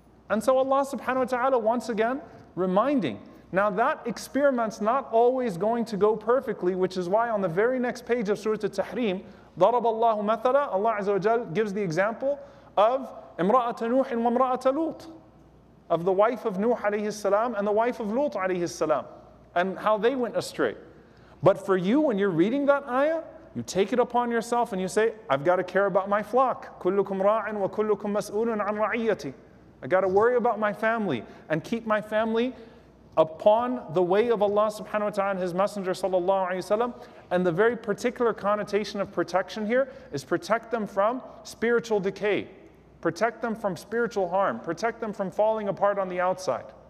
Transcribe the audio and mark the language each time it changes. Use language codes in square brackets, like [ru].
[en] And so Allah subhanahu wa ta'ala once again reminding. Now that experiment's not always going to go perfectly, which is why on the very next page of Surah At-Tahrim, [ar] ضرب الله مثلا, [en] Allah Azza wa Jal gives the example of [ar] امرأة نوح وامرأة لوط, [en] of the wife of Nuh alayhi salam and the wife of Lut alayhi salam, and how they went astray. But for you, when you're reading that ayah, you take it upon yourself and you say, I've got to care about my flock. [ar] كلكم راع وكلكم مسؤول عن رعيتي. [en] I got to worry about my family and keep my family upon the way of Allah subhanahu wa ta'ala and His Messenger sallallahu alayhi wa sallam. And the very particular connotation of protection here is protect them from spiritual decay, protect them from spiritual harm, protect them from falling apart on the outside.